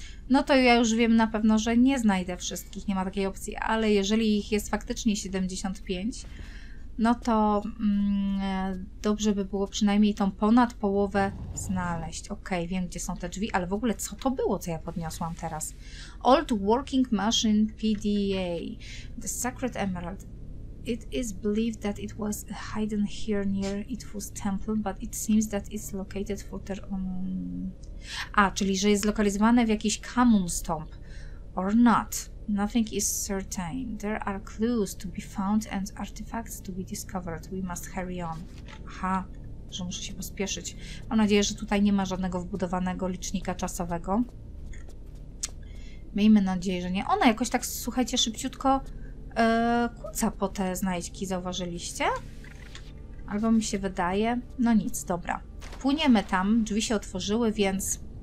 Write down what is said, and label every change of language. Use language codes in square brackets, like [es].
[pl] No to ja już wiem na pewno, że nie znajdę wszystkich, nie ma takiej opcji, ale jeżeli ich jest faktycznie 75, no to dobrze by było przynajmniej tą ponad połowę znaleźć. Okej, okay, wiem, gdzie są te drzwi, ale w ogóle co to było, co ja podniosłam teraz? [en] Old Working Machine PDA. The Sacred Emerald. It is believed that it was hidden here near Itfu's temple, but it seems that it's located further on... [pl] A, czyli że jest zlokalizowane w jakiś Camun's tomb. [en] Or not. Nothing is certain. There are clues to be found and artifacts to be discovered. We must hurry on. [pl] Aha, że muszę się pospieszyć. Mam nadzieję, że tutaj nie ma żadnego wbudowanego licznika czasowego. Miejmy nadzieję, że nie. Ona jakoś tak, słuchajcie, szybciutko... kłóca po te znajdźki, zauważyliście? Albo mi się wydaje. No nic, dobra. Płyniemy tam, drzwi się otworzyły, więc...